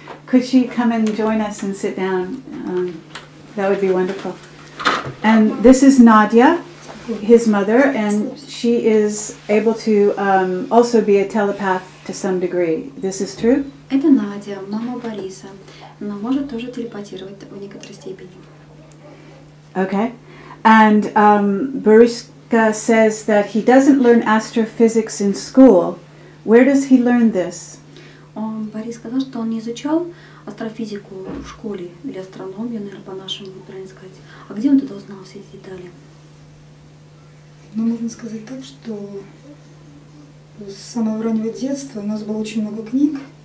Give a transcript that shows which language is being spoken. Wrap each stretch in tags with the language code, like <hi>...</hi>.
<en>Could she come and join us and sit down? That would be wonderful. And this is Nadia, his mother, and she is able to also be a telepath to some degree. This is true?</en> <ru>Это Надя, мама Бориса. Она может тоже телепатировать в некоторой степени.</ru> <en>Okay. And Boriska says that he doesn't learn astrophysics in school. Where does he learn this?</en> <ru>Борис сказал, что он не изучал астрофизику в школе или астрономию, наверное, по-нашему, правильно сказать. А где он тогда узнал все эти детали? Ну, можно сказать так, что с самого раннего детства у нас было очень много книг.</ru>